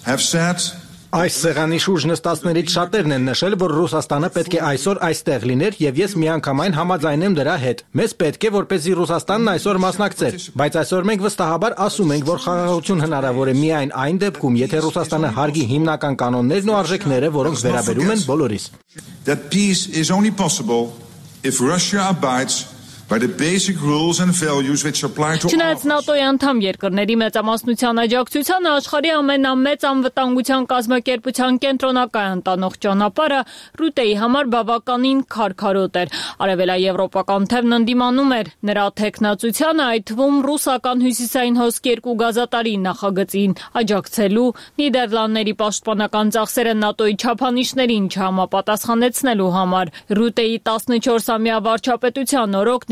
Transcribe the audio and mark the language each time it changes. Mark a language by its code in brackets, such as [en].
[hy] Այս սեղանի շուրջ նստածներից շատերն են նշել, որ Ռուսաստանը պետք է այսօր այստեղ լիներ, և ես միանգամայն համաձայնեմ դրա հետ։ Մեզ պետք է, որպեսզի Ռուսաստանն այսօր մասնակցեր, բայց այսօր մենք վստահաբար ասում ենք, որ խաղաղություն հնարավոր է միայն այն դեպքում, եթե Ռուսաստանը հարգի հիմնական կանոններն ու արժեքները, որոնք վերաբերում են բոլորիս։ [en] That peace is only possible if Russia abides by the basic rules and values which apply to [hy] China's NATO-ի անդամ երկրների մեծամասնության աջակցությանը աշխարհի ամենամեծ անվտանգության կազմակերպության կենտրոնակայան տանող ճանապարհը Ռուտեի համար բավականին քարքարոտ էր։ Արևելաեվրոպական թևն ընդդիմանում էր նրա թեկնածությանը, այդ թվում ռուսական հյուսիսային հոսկերկու գազատարի նախագծին աջակցելու, Նիդերլանդների պաշտպանական ծախսերը ՆԱՏՕ-ի չափանիշներին չհամապատասխանեցնելու համար։ Ռուտեի 14-ամյա վարչապետության օրոք